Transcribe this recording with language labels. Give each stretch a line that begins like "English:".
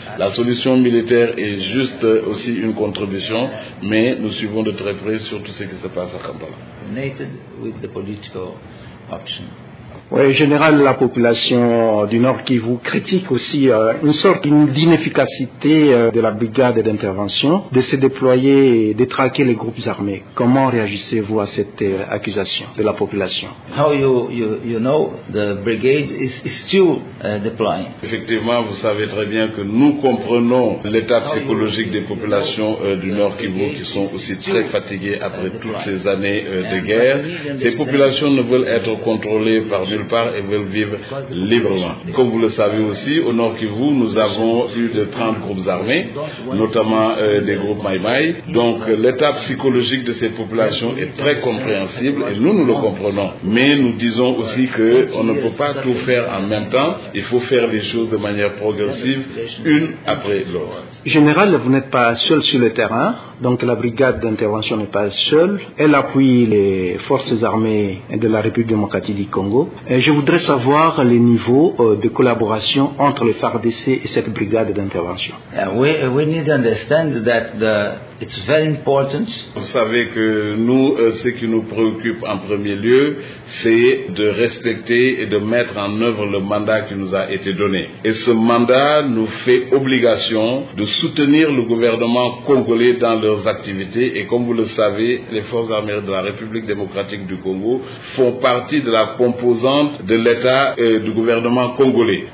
French: La solution militaire est juste aussi une contribution, mais nous suivons de très près surtout ce qui se passe à Kampala. Oui, général, la population du Nord Kivu critique aussi une sorte d'inefficacité de la brigade d'intervention de se déployer et de traquer les groupes armés. Comment réagissez-vous à cette accusation de la population?
English: How you know the brigade is still deploying?
French: Effectivement, vous savez très bien que nous comprenons l'état psychologique des populations du Nord Kivu qui sont aussi très fatiguées après toutes ces années de guerre. Ces populations ne veulent être contrôlées par nulle part et veulent vivre librement. Comme vous le savez aussi, au Nord Kivu, nous avons eu de 30 groupes armés, notamment des groupes Mai Mai. Donc l'état psychologique de ces populations est très compréhensible et nous le comprenons. Mais nous disons aussi qu'on ne peut pas tout faire en même temps. Il faut faire les choses de manière progressive, une après l'autre. Général, vous n'êtes pas seul sur le terrain. Donc la brigade d'intervention n'est pas seule. Elle appuie les forces armées de la République démocratique du Congo. Et je voudrais savoir les niveaux de collaboration entre le FARDC et cette brigade d'intervention.
English: We need to understand that it's very important.
French: Vous savez que nous, ce qui nous préoccupe en premier lieu, c'est de respecter et de mettre en œuvre le mandat qui nous a été donné. Et ce mandat nous fait obligation de soutenir le gouvernement congolais dans leurs activités. Et comme vous le savez, les forces armées de la République démocratique du Congo font partie de la composante de l'État et du gouvernement congolais.